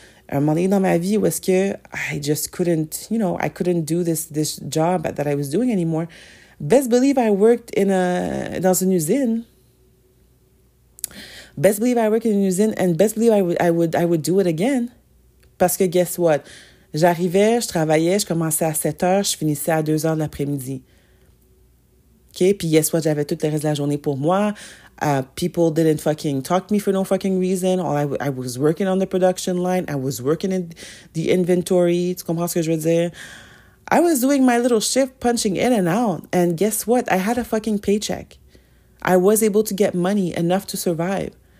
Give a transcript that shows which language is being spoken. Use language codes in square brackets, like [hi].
[fr] À un moment donné dans ma vie où est-ce que [en] I just couldn't, you know, I couldn't do this job that I was doing anymore. Best believe I worked [fr] dans une usine. [en] Best believe I worked in an usine, and best believe I would do it again. [fr] Parce que [en] guess what? [fr] J'arrivais, je travaillais, je commençais à 7 heures, je finissais à 2 heures de l'après-midi. OK? Puis [en] guess what? [fr] J'avais tout le reste de la journée pour moi. [en] People didn't fucking talk to me for no fucking reason. I was working on the production line. I was working in the inventory. [fr] Tu comprends ce que je veux dire? [en] I was doing my little shift, punching in and out. And guess what? I had a fucking paycheck. I was able to get money enough to survive.